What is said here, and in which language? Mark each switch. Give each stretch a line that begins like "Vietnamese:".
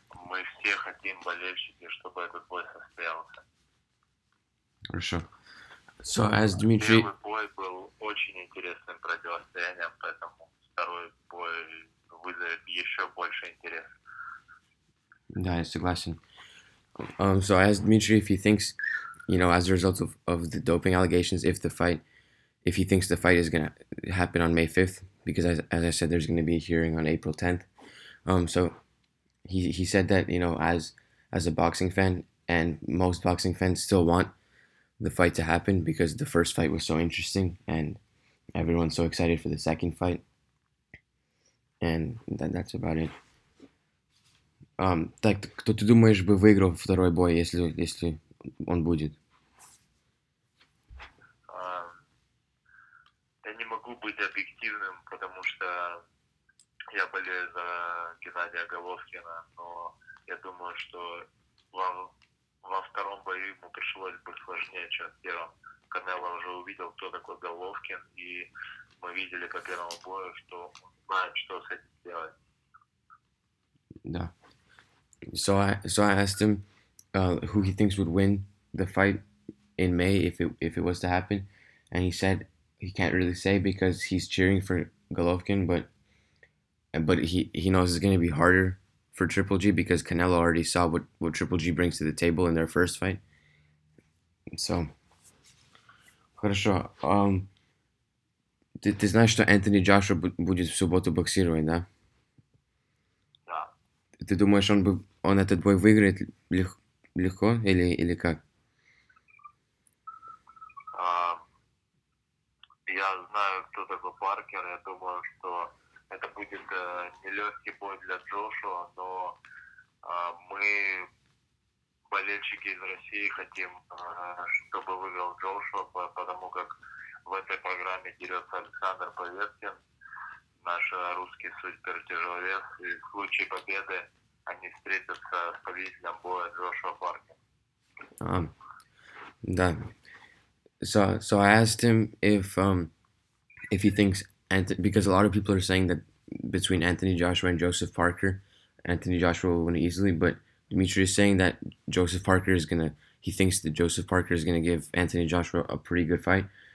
Russian: Мы все хотим, болельщики, чтобы этот бой состоялся. Хорошо.
English: So, as Dmitry...
Russian: Первый бой был очень интересным противостоянием, поэтому второй бой вызовет еще больше интереса. Да, я согласен.
English: So I asked Dmitry if he thinks, you know, as a result of the doping allegations, if he thinks the fight is going to happen on May 5th, because as I said, there's going to be a hearing on April 10th. So he said that, you know, as a boxing fan, and most boxing fans still want the fight to happen because the first fight was so interesting and everyone's so excited for the second fight. And that's about it.
Russian: Так, кто ты думаешь бы выиграл второй бой, если он будет? Я не могу быть объективным, потому что я болею за Геннадия Головкина, но я думаю, что во втором бою ему пришлось бы сложнее, чем в первом. Канело уже увидел, кто такой Головкин, и мы видели по первому бою, что он знает, что с этим делать. Да.
English: So I asked him who he thinks would win the fight in May if it was to happen, and he said he can't really say because he's cheering for Golovkin, but he knows it's gonna be harder for Triple G because Canelo already saw what Triple G brings to the table in their first fight.
Russian: So, хорошо. Ты знаешь, что Энтони Джошуа будет в субботу боксировать, да? Да. Ты думаешь, он этот бой выиграет легко или как? Я знаю, кто такой Паркер. Я думаю, что это будет нелегкий бой для Джошуа, но мы, болельщики из России, хотим, чтобы выиграл Джошуа, потому как в этой программе дерется Александр Поветкин, наш русский супертяжеловес. И в случае победы они встретятся с победителем боя Джошуа Паркер. Да.
English: So I asked him if he thinks because a lot of people are saying that between Anthony Joshua and Joseph Parker, Anthony Joshua will win easily. But Dimitri is saying that Joseph Parker is gonna. He thinks that Joseph Parker is gonna give Anthony Joshua a pretty good fight.